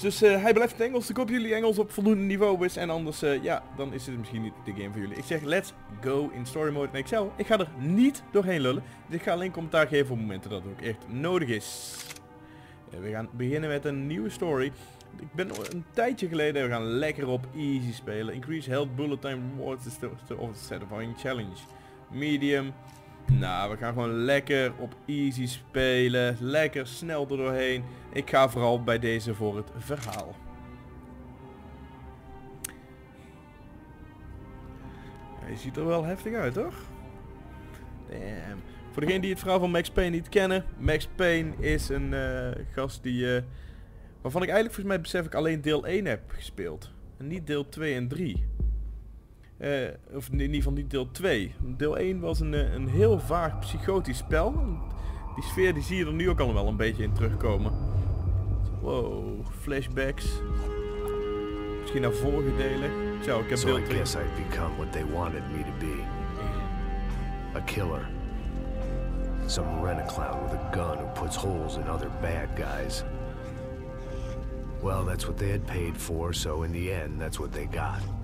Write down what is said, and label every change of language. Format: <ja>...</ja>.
<nl>Dus hij blijft in Engels. Ik hoop jullie Engels op voldoende niveau is. En anders, dan is dit misschien niet de game voor jullie. Ik zeg,</nl> <en>let's go in story mode in Excel.</en> <nl>Ik ga er niet doorheen lullen. Dus ik ga alleen commentaar geven op momenten dat het ook echt nodig is. We gaan beginnen met een nieuwe story. Ik ben een tijdje geleden, we gaan lekker op easy spelen.</nl> <en>Increase health bullet time rewards is the of the satisfying challenge. Medium.</en> <nl>Nou, we gaan gewoon lekker op easy spelen. Lekker snel er doorheen. Ik ga vooral bij deze voor het verhaal. Hij ziet er wel heftig uit, toch? Damn. Voor degene die het verhaal van Max Payne niet kennen. Max Payne is een gast die... waarvan ik eigenlijk volgens mij besef ik alleen deel 1 heb gespeeld. En niet deel 2 en 3. Of in ieder geval niet deel 2. Deel 1 was een heel vaag psychotisch spel. Die sfeer die zie je er nu ook al wel een beetje in terugkomen. Wow, flashbacks. Misschien naar vorige delen. Zo, ik heb deel 3.</nl> <en>So I guess I become what they wanted me to be. A killer. Some rent-a-clown with a gun who puts holes in other bad guys. Well, that's what they had paid for, so in the end, that's what they got.</en>